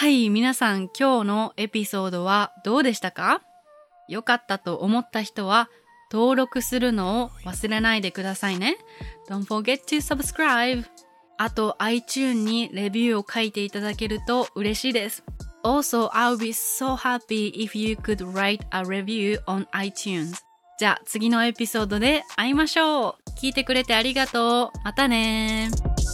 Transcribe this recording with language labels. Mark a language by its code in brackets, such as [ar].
[ja] はい、皆さん、今日のエピソードはどうでしたか？よかったと思った人は登録するのを忘れないでくださいね。 [en] Don't forget to subscribe。 [ja] あと iTunes にレビューを書いていただけると嬉しいです。 [en] Also, I'll be so happy if you could write a review on iTunes。 [ja] じゃあ次のエピソードで会いましょう。聞いてくれてありがとう。またねー。